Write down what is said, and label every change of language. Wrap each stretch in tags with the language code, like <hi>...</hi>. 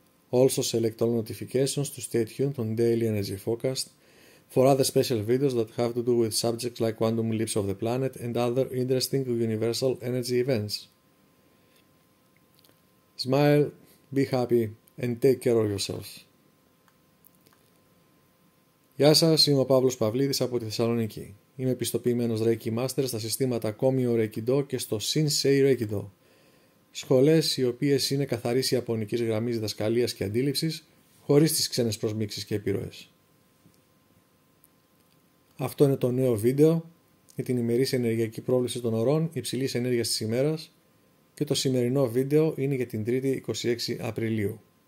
<en>Also select all notifications to stay tuned on daily energy forecast for other special videos that have to do with subjects like quantum leaps of the planet and other interesting universal energy events. Smile, be happy, and take care of yourselves.</en> <el>Γεια σας, είμαι ο Παύλος Παυλίδης από τη Θεσσαλονίκη. Είμαι επιστοποιημένος Reiki Master στα συστήματα Komyo Reiki Do και στο Sensei Reiki Do. Σχολές οι οποίες είναι καθαρής ιαπωνικής γραμμής διδασκαλίας και αντίληψης, χωρίς τις ξένες προσμίξεις και επιρροές. Αυτό είναι το νέο βίντεο για την ημερήσια ενεργειακή πρόβληση των ορών υψηλής ενέργειας της ημέρας, και το σημερινό βίντεο είναι για την 3η 26 Απριλίου.</el>